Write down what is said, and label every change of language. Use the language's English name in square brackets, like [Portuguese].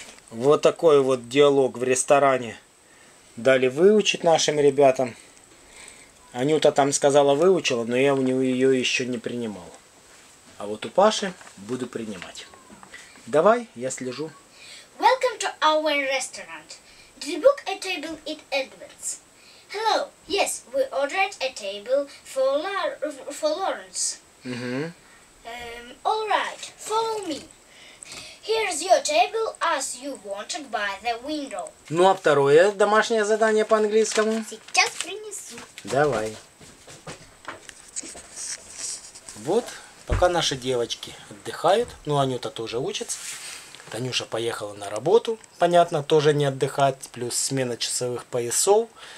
[Russian] Вот такой вот диалог в ресторане дали выучить нашим ребятам. Анюта там сказала, выучила, но я у него ее еще не принимал. А вот у Паши буду принимать. Давай, я слежу. [English] Welcome to our restaurant. Did you book a table in advance? Hello. Yes, we ordered a table for Lawrence. Mm-hmm. All right, follow me. Here's your table as you wanted by the window. [Russian] Ну а второе домашнее задание по-английскому? Сейчас принесу. Давай. Вот, пока наши девочки отдыхают, ну Анюта тоже учится. Танюша поехала на работу, понятно, тоже не отдыхать, плюс смена часовых поясов.